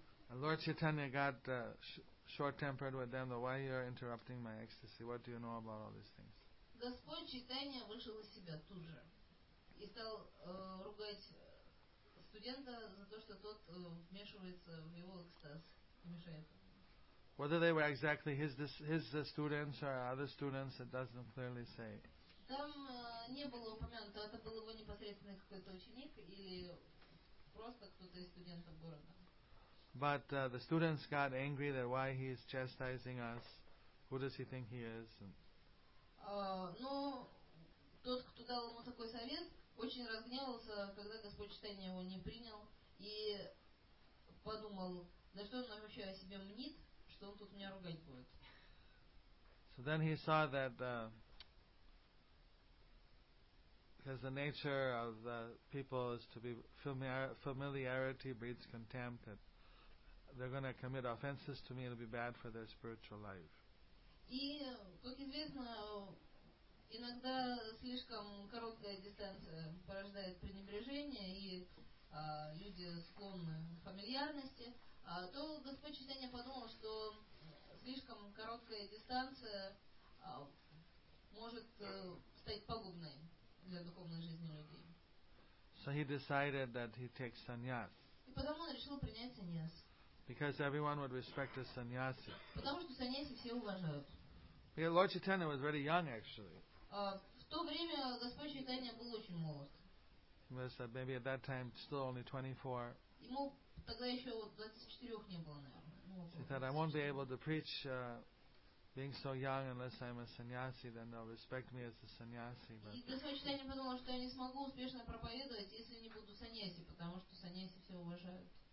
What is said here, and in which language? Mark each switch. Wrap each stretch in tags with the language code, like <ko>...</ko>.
<en>And Lord Chaitanya got short-tempered with them, though, why are you interrupting my ecstasy? What do you know about all these things?</en> <ru>Господь Чайтанья вышел из себя тут же и стал ругать студента за то, что тот вмешивается в его экстаз и мешает.</ru> <en>Whether they were exactly his students or other students, it doesn't clearly say.</en> <ru>Там не было упомянуто, это был его непосредственный какой-то ученик или просто кто-то из студентов города.</ru> <en>But the students got angry that why he is chastising us, who does he think he is?</en> <ru>Но тот, кто дал ему такой совет, очень разгневался, когда Господь Читания его не принял, и подумал, да что он вообще о себе мнит, что он тут меня ругать будет.</ru> <en>So then he saw that because the nature of the people is to be familiarity breeds contempt, that they're going to commit offenses to me, it'll be bad for their spiritual life.</en> <ru>И, как известно, иногда слишком короткая дистанция порождает пренебрежение, и люди склонны к фамильярности, то Господь Читания подумал, что слишком короткая дистанция может стать пагубной для духовной жизни людей.</ru> <en>So he decided that he takes sannyas.</en> <ru>И потому он решил принять саньяс.</ru> <en>Because everyone would respect a sannyasi.</en> <ru>Потому что саньяси все уважают.</ru> <en>Because Lord Chaitanya was very young, actually.</en> <ru>В то время Господь Чайтанья был очень молод.</ru> <en>He was maybe at that time still only 24.</en> <ru>Ему тогда еще 24 не было, наверное.</ru> <en>He thought, I won't be able to preach being so young unless I'm a sannyasi, then they'll respect me as a sannyasi.</en> <ru>И Господь Чайтанья подумал, что я не смогу успешно проповедовать, если не буду саньяси, потому что саньяси все уважают.</ru>